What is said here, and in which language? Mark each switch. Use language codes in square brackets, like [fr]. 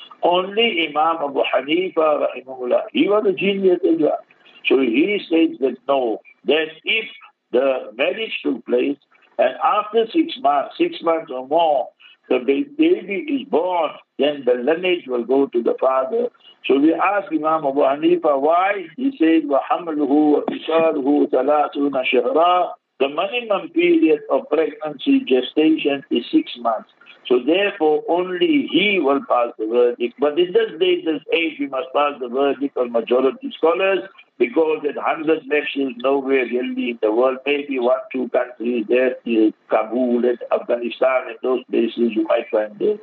[en] Only Imam Abu Hanifa, rahimahullah, he was a genius as well. So he says that no, that if the marriage took place, and after 6 months, 6 months or more, the baby is born, then the lineage will go to the father. So we ask Imam Abu Hanifa why. He said, [ar] وَحَمْلُهُ وَفِصَالُهُ ثَلَاثُونَ شَهْرًا. [en] The minimum period of pregnancy gestation is 6 months. So therefore, only he will pass the verdict. But in this day, this age, we must pass the verdict on majority scholars, because at 100 nations, nowhere really in the world, maybe one, two countries, there, Kabul and Afghanistan and those places, you might find this.